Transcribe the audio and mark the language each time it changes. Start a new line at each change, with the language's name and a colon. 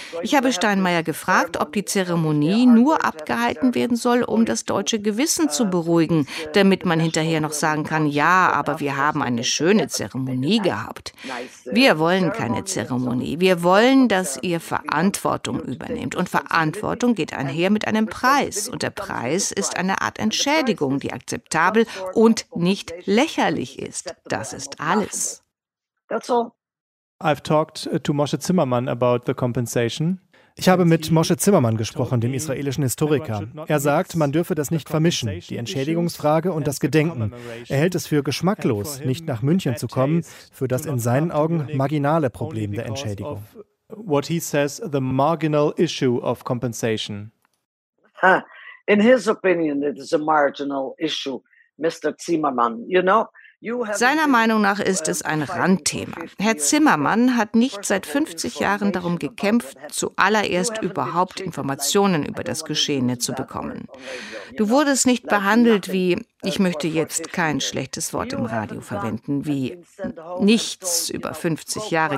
German: Ich habe Steinmeier gefragt, ob die Zeremonie nur abgehalten werden soll, um das deutsche Gewissen zu beruhigen, damit man hinterher noch sagen kann, ja, aber wir haben eine schöne Zeremonie gehabt. Wir wollen keine Zeremonie. Wir wollen, dass ihr Verantwortung übernehmt. Und Verantwortung geht einher mit einem Preis. Und der Preis ist eine Art Entschädigung, die akzeptabel und nicht lächerlich ist. Das ist alles.
English: That's all. I've talked to Moshe Zimmermann about the compensation.
German: Ich habe mit Moshe Zimmermann gesprochen, dem israelischen Historiker. Er sagt, man dürfe das nicht vermischen, die Entschädigungsfrage und das Gedenken. Er hält es für geschmacklos, nicht nach München zu kommen, für das in seinen Augen marginale Problem der Entschädigung.
English: What he says, the marginal issue of compensation. In his opinion, it is a marginal issue. Mr. Zimmermann, you know?
German: Seiner Meinung nach ist es ein Randthema. Herr Zimmermann hat nicht seit 50 Jahren darum gekämpft, zuallererst überhaupt Informationen über das Geschehene zu bekommen. Du wurdest nicht behandelt wie, ich möchte jetzt kein schlechtes Wort im Radio verwenden, wie nichts über 50 Jahre.